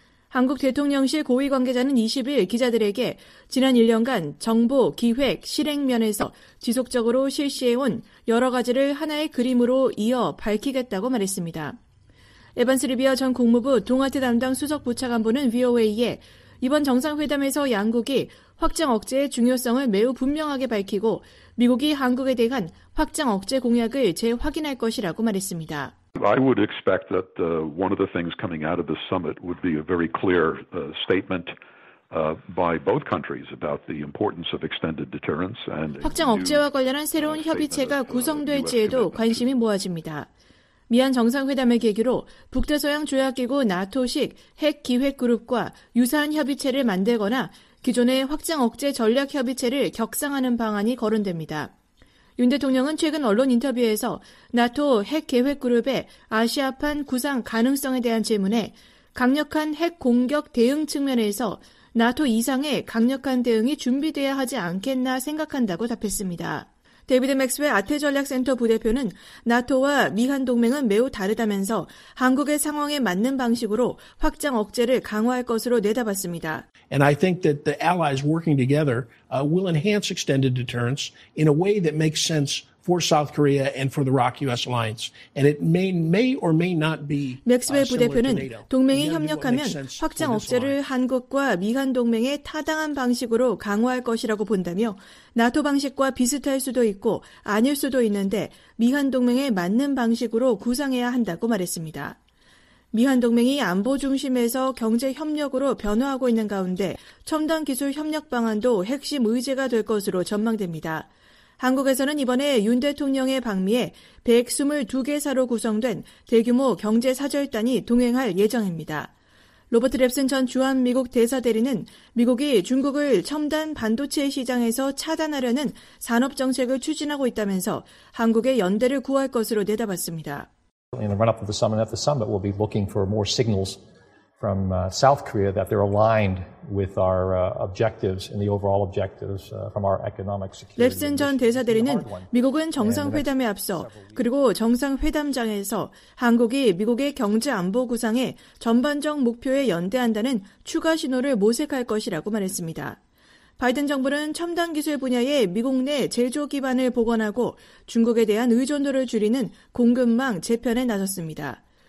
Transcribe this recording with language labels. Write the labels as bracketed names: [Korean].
[Korean] 한국 대통령실 고위 관계자는 20일 기자들에게 지난 1년간 정보, 기획, 실행 면에서 지속적으로 실시해온 여러 가지를 하나의 그림으로 이어 밝히겠다고 말했습니다. 에반스 리비아 전 국무부 동아태 담당 수석부차관보는 VOA에 이번 정상회담에서 양국이 확장 억제의 중요성을 매우 분명하게 밝히고 미국이 한국에 대한 확장 억제 공약을 재확인할 것이라고 말했습니다. [English] I would expect that one of the things coming out of the summit would be a very clear statement by both countries about the importance of extended deterrence and [Korean] 확장 억제와 관련한 새로운 협의체가 구성될지에도 관심이 모아집니다. 미한 정상회담을 계기로 북대서양 조약기구 나토식 핵 기획 그룹과 유사한 협의체를 만들거나 기존의 확장 억제 전략 협의체를 격상하는 방안이 거론됩니다. 윤 대통령은 최근 언론 인터뷰에서 나토 핵 계획 그룹의 아시아판 구상 가능성에 대한 질문에 강력한 핵 공격 대응 측면에서 나토 이상의 강력한 대응이 준비되어야 하지 않겠나 생각한다고 답했습니다. 데이비드 맥스웰 아태전략센터 부대표는 나토와 미한 동맹은 매우 다르다면서 한국의 상황에 맞는 방식으로 확장 억제를 강화할 것으로 내다봤습니다. [English] And I think that the allies working together will enhance extended deterrence in a way that makes sense for South Korea and for the ROK-US alliance. And it may or may not be. [Korean] 맥스웰 부대표는 동맹이 협력하면 확장 억제를 한국과 미한 동맹의 타당한 방식으로 강화할 것이라고 본다며 나토 방식과 비슷할 수도 있고 아닐 수도 있는데 미한 동맹에 맞는 방식으로 구상해야 한다고 말했습니다. 미한 동맹이 안보 중심에서 경제 협력으로 변화하고 있는 가운데 첨단 기술 협력 방안도 핵심 의제가 될 것으로 전망됩니다. 한국에서는 이번에 윤 대통령의 방미에 122개사로 구성된 대규모 경제사절단이 동행할 예정입니다. 로버트 랩슨 전 주한미국 대사대리는 미국이 중국을 첨단 반도체 시장에서 차단하려는 산업정책을 추진하고 있다면서 한국의 연대를 구할 것으로 내다봤습니다. [English] In the run-up of the summit, at the summit, we'll be looking for more signals from South Korea that they're aligned with our objectives and the overall objectives from our economic security. [Korean] 랩슨 전 대사대리는 미국은 정상회담에 앞서 그리고 정상회담장에서 한국이 미국의 경제 안보 구상에 전반적 목표에 연대한다는 추가 신호를 모색할 것이라고 말했습니다. 바이든 정부는 첨단 기술 분야의 미국 내 제조 기반을 복원하고 중국에 대한 의존도를 줄이는 공급망 재편에 나섰습니다.